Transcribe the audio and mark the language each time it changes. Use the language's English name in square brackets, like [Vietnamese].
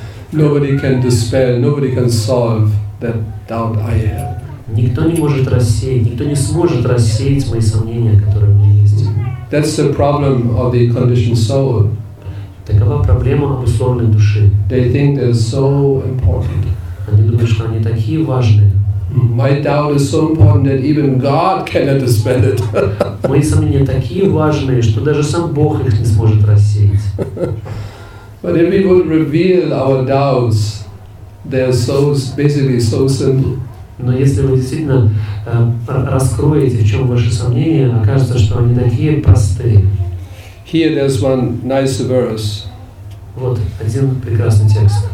[English] Nobody can dispel, nobody can solve that doubt I have. [Russian] Никто не может рассеять, никто не сможет рассеять мои сомнения, которые у меня есть. [English] That's the problem of the conditioned soul. [Russian] Такова проблема обусловленной души. [English] They think they're so important. [Russian] Они думают, что они такие важные. [English] My doubt is so important that even God cannot dispel it. [Russian] Мои сомнения такие важные, что даже сам Бог их не сможет рассеять. [English] But if we would reveal our doubts, they are so basically so simple. [Russian] Но если вы действительно раскроете, в чем ваши сомнения, окажется, что они такие простые. [English] Here there's one nice verse. [Russian] Вот один прекрасный текст.